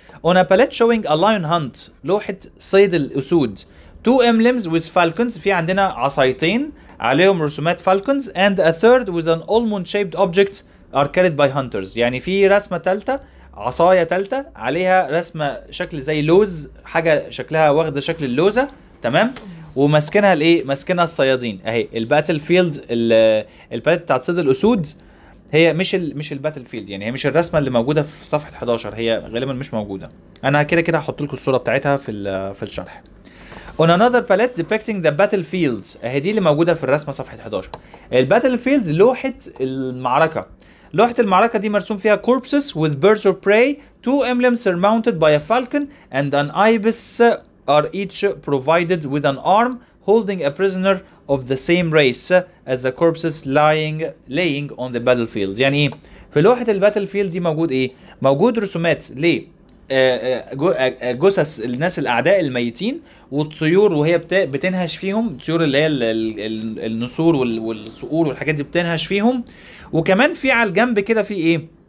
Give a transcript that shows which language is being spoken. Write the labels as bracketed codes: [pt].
[en] On a palette showing a lion hunt، [ar] لوحه صيد الاسود. [en] Two emblems with falcons، [ar] في عندنا عصايتين عليهم رسومات falcons، [en] and a third with an almond shaped object are carried by hunters، [ar] يعني في رسمه ثالثه عصايه ثالثه عليها رسمه شكل زي لوز، حاجه شكلها واخده شكل اللوزه، تمام، ومسكنها الايه؟ مسكنها الصيادين. اهي الباتل فيلد، الباليت بتاعت صيد الاسود هي مش الباتل فيلد، يعني هي مش الرسمه اللي موجوده في صفحه 11، هي غالبا مش موجوده. انا كده كده هحط لكم الصوره بتاعتها في الشرح. [en] On another palette depicting the battlefield، [ar] اهي دي اللي موجوده في الرسمه صفحه 11. الباتلفيلد لوحه المعركه، لوحه المعركه دي مرسوم فيها [en] corpses with birds of prey، two emblems surmounted by a falcon and an ibis are each provided with an arm holding a prisoner of the same race as the corpses laying on the battlefield. [ar] يعني ايه؟ في لوحه الباتلفيلد دي موجود ايه؟ موجود رسومات ليه؟ جثث الناس الاعداء الميتين، والطيور وهي بتنهش فيهم، الطيور اللي هي النسور والصقور والحاجات دي بتنهش فيهم، وكمان في على الجنب كده في ايه؟